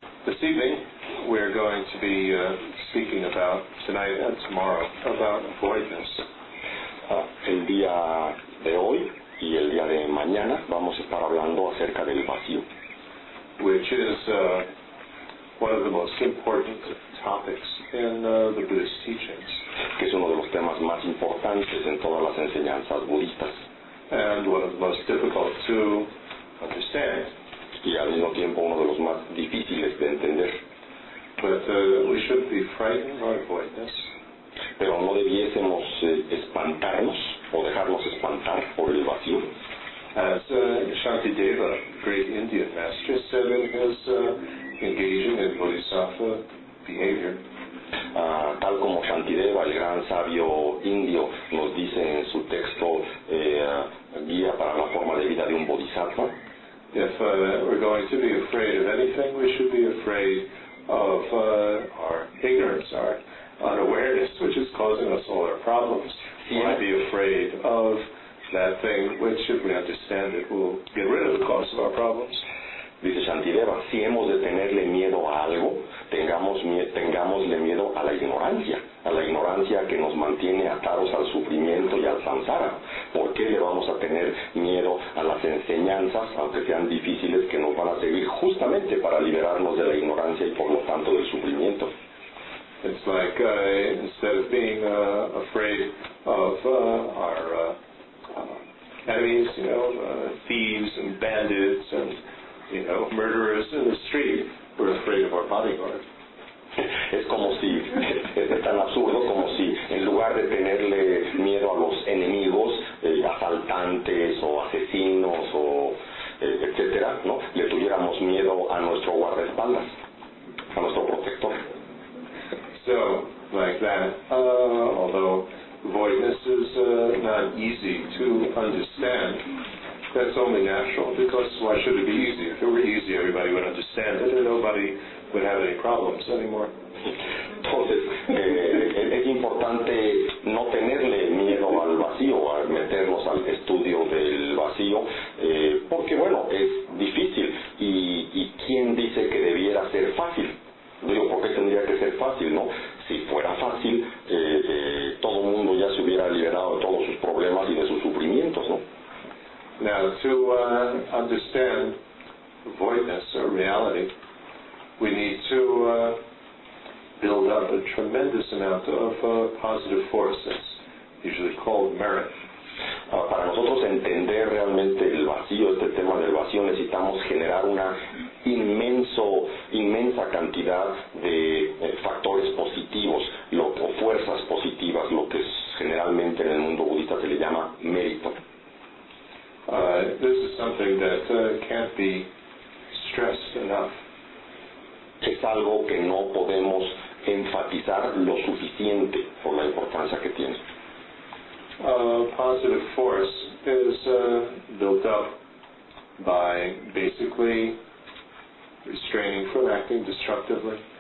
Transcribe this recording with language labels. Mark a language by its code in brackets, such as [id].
[en] This evening, we're going to be speaking about, tonight and tomorrow, about voidness. [es] El día de hoy y el día de mañana vamos a estar hablando acerca del vacío. [en] Which is one of the most important topics in the Buddhist teachings. [es] Que es uno de los temas más importantes en todas las enseñanzas budistas. [en] And one of the most difficult to understand. [es] Y al mismo tiempo uno de los más difíciles de entender. [en] But we should be frightened by voidness. [es] Pero no debiésemos espantarnos o dejarnos espantar por el vacío. [en] As Shantideva, great Indian master, said in his engaging in bodhisattva behavior. [es] Tal como Shantideva, el gran sabio indio, nos dice en su texto guía para la forma de vida de un bodhisattva. [en] If we're going to be afraid of anything, we should be afraid of our ignorance, our unawareness, which is causing us all our problems. Yeah. Why be afraid of that thing which, if we understand it, will get rid of the cause of our problems? [es] Dice Shantideva, si hemos de tenerle miedo a algo, tengámosle miedo a la ignorancia. A la ignorancia que nos mantiene atados al sufrimiento y al samsara. ¿Por qué le vamos a tener miedo a las enseñanzas, aunque sean difíciles, que nos van a servir justamente para liberarnos de la ignorancia y por lo tanto del sufrimiento? [en] It's like, instead of being afraid of our enemies, you know, thieves and bandits and, you know, murderers in the street, we're afraid of our bodyguard. [es] Es como si, es tan absurdo como si en lugar de tenerle miedo a los enemigos, asaltantes o asesinos o etcétera, ¿no? Le tuviéramos miedo a nuestro guardaespaldas, a nuestro protector. [en] So, like that, although voidness is not easy to understand, that's only natural, because why should it be easy? If it were easy, everybody would understand it, and nobody would have any problems anymore. [es] Entonces, es importante no tenerle miedo al vacío, a meternos al estudio del vacío, porque, bueno, es difícil. ¿Y quién dice que debiera ser fácil? Digo, ¿por qué tendría que ser fácil, no? Si fuera fácil, todo el mundo ya se hubiera liberado de todos sus problemas y de sus sufrimientos, ¿no? [en] Now, to understand voidness or reality, we need to build up a tremendous amount of positive forces, usually called merit. [es] Para nosotros entender realmente el vacío, este tema del vacío, necesitamos generar una inmensa cantidad de factores positivos, o fuerzas positivas, lo que es generalmente en el mundo budista se le llama mérito. [en] This is something that can't be stressed enough. [es] Es algo que no podemos enfatizar lo suficiente por la importancia que tiene. [en] Positive force is built up by basically restraining from acting destructively.